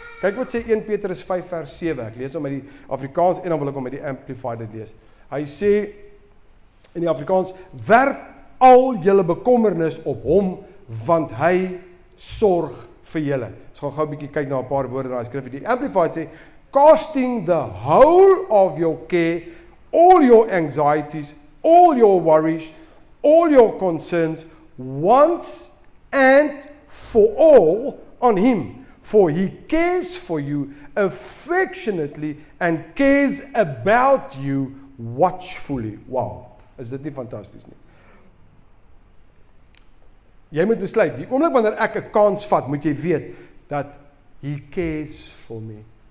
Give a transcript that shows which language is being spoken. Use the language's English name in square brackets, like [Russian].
[Afrikaans] Kyk wat sê 1 Petrus 5 vers 7, ek lees hom met die Afrikaans en dan wil ek hom met die Amplified lees. Hy sê in die Afrikaans, werp al julle bekommernis op hom, want hy sorg vir julle. Ons gaan gauw bykie kyk na 'n paar woorde in die skrif. [English] Die Amplified sê, casting the whole of your care, all your anxieties, all your worries, all your concerns, once and for all on him. For he cares for you affectionately and cares about you watchfully. [Afrikaans] Wow, is dit nie fantastisch nie? Jy moet besluit, die oomblik wanneer ek 'n kans vat, moet jy weet, dat [English] he cares for me.